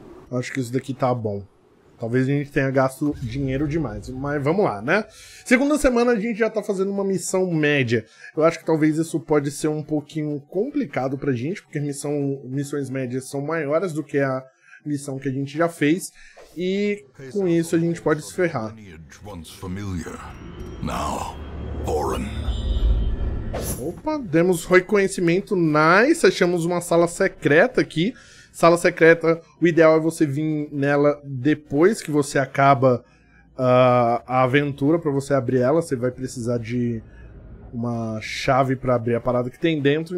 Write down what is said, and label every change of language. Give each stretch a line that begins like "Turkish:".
Portuguese: Acho que isso daqui tá bom. Talvez a gente tenha gasto dinheiro demais, mas vamos lá, né? Segunda semana a gente já tá fazendo uma missão média. Eu acho que talvez isso pode ser um pouquinho complicado pra gente, porque missões médias são maiores do que a missão que a gente já fez, e com isso a gente pode se ferrar.
English: Lineage once familiar, now foreign.
Portuguese: Opa, demos reconhecimento. Nice, achamos uma sala secreta aqui. Sala secreta, o ideal é você vir nela depois que você acaba a aventura. Pra você abrir ela, você vai precisar de uma chave pra abrir a parada que tem dentro.